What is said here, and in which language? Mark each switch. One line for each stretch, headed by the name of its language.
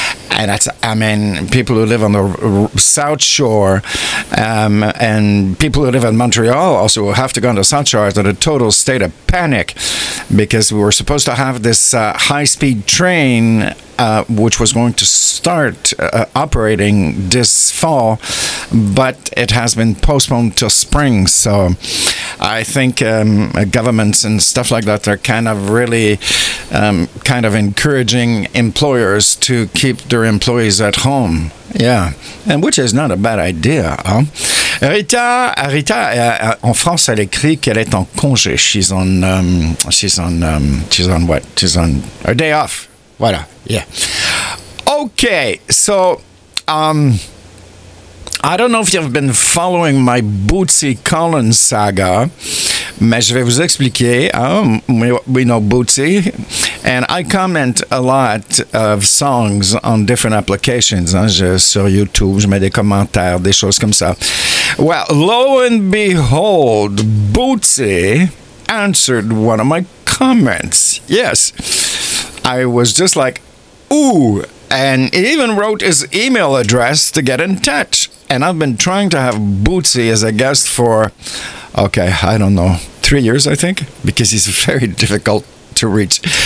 English: And that's, I mean, people who live on the South Shore and people who live in Montreal also have to go on the South Shore in a total state of panic, because we were supposed to have this high-speed train which was going to start operating this fall, but it has been postponed till spring. So I think governments and stuff like that are kind of really kind of encouraging employers to keep their employees at home. Yeah, and which is not a bad idea, huh?
French: Rita, en France, elle écrit qu'elle est en congé.
English: She's on her day off. Voilà, yeah. Okay, so I don't know if you've been following my Bootsy Collins saga,
French: mais je vais vous expliquer.
English: We know Bootsy, and I comment a lot of songs on different applications.
French: Sur YouTube, je mets des commentaires, des choses comme ça.
English: Well, lo and behold, Bootsy answered one of my comments. Yes. I was just like, ooh, and he even wrote his email address to get in touch. And I've been trying to have Bootsy as a guest for, okay, I don't know, 3 years, I think, because he's very difficult to reach.